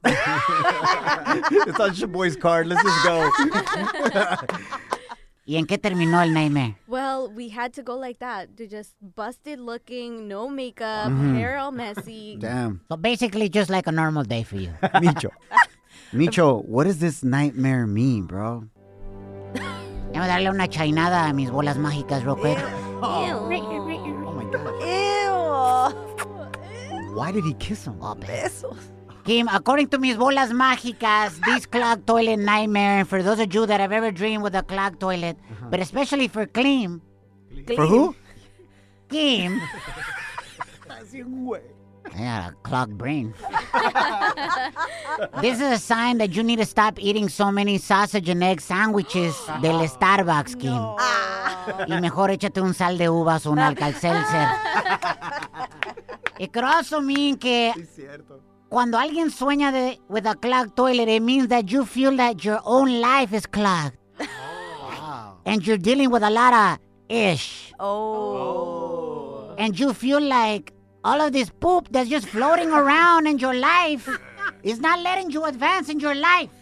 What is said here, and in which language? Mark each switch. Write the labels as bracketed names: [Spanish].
[English] It's on your boy's card. Let's just go. [Spanish] ¿Y en qué terminó el nightmare? [English] Well, we had to go like that. They're just busted looking, no makeup, mm-hmm. hair all messy. Damn. So basically just like a normal day for you. Micho. Micho, what does this nightmare mean, bro? [Spanish] Déjame darle una chainada a mis bolas mágicas [English] real quick. Ew. Oh, my God. Ew. Why did he kiss him? [Spanish] Oh, besos. [English] Kim, according to [Spanish] mis bolas mágicas, [English] this clogged toilet nightmare, and for those of you that have ever dreamed with a clogged toilet, uh-huh. but especially for Kim. For who? Kim. That's your way. I got a clogged brain. This is a sign that you need to stop eating so many sausage and egg sandwiches del Starbucks, Kim. No. [Spanish] Y mejor échate un sal de uvas o un Alka-Seltzer. [English] It could also mean que... [Spanish] Sí, cierto. Cuando alguien sueña de, [English] with a clogged toilet, it means that you feel that your own life is clogged. Oh, wow. And you're dealing with a lot of ish. Oh. And you feel like all of this poop that's just floating around in your life is not letting you advance in your life.